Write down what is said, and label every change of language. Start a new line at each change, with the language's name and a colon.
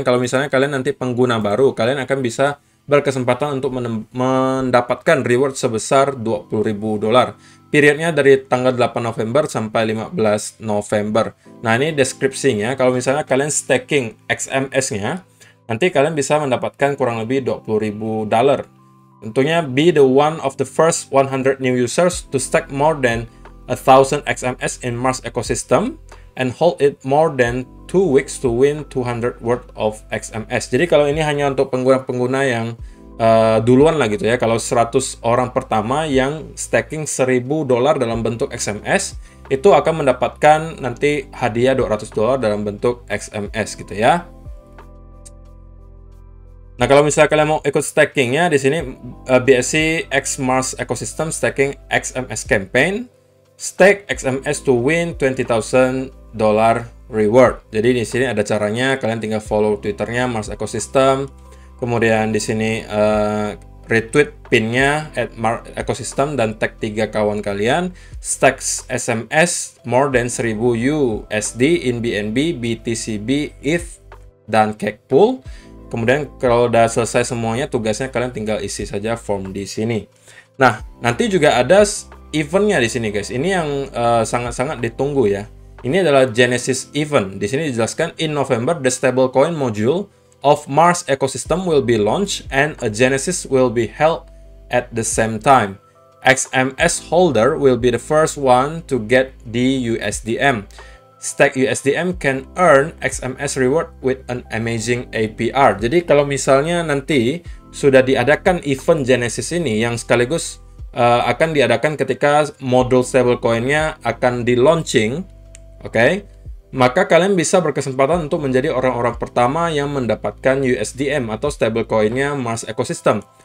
Indonesian: Kalau misalnya kalian nanti pengguna baru, kalian akan bisa berkesempatan untuk mendapatkan reward sebesar $20,000. Periodnya dari tanggal 8 November sampai 15 November. Nah ini deskripsinya, kalau misalnya kalian staking XMS-nya, nanti kalian bisa mendapatkan kurang lebih $20,000. Tentunya
English: be the one of the first 100 new users to stake more than 1,000 XMS in Mars ecosystem and hold it more than 2 weeks to win 200 worth of XMS.
Indonesian: Jadi kalau ini hanya untuk pengguna-pengguna yang duluan lah gitu ya. Kalau 100 orang pertama yang staking $1,000 dalam bentuk XMS itu akan mendapatkan nanti hadiah $200 dalam bentuk XMS gitu ya. Nah kalau misalnya kalian mau ikut staking ya, di sini BSC X Mars Ecosystem Staking XMS Campaign
English: Stake XMS to win $20,000 reward.
Indonesian: Jadi di sini ada caranya, kalian tinggal follow Twitternya Mars Ecosystem, kemudian di sini retweet pinnya at Mars Ecosystem dan tag 3 kawan kalian,
English: stakes SMS more than 1000 USD in BNB, BTCB, ETH
Indonesian: dan Cake Pool. Kemudian kalau udah selesai semuanya, tugasnya kalian tinggal isi saja form di sini. Nah nanti juga ada eventnya di sini guys, ini yang sangat-sangat ditunggu ya. Ini adalah Genesis Event. Di sini dijelaskan,
English: in November, the stablecoin module of Mars ecosystem will be launched and a Genesis will be held at the same time. XMS holder will be the first one to get the USDM. Stake USDM can earn XMS reward with an amazing APR.
Indonesian: Jadi kalau misalnya nanti sudah diadakan event Genesis ini yang sekaligus akan diadakan ketika modul stablecoin-nya akan di-launching, oke, maka kalian bisa berkesempatan untuk menjadi orang-orang pertama yang mendapatkan USDM atau stablecoin-nya Mars Ecosystem.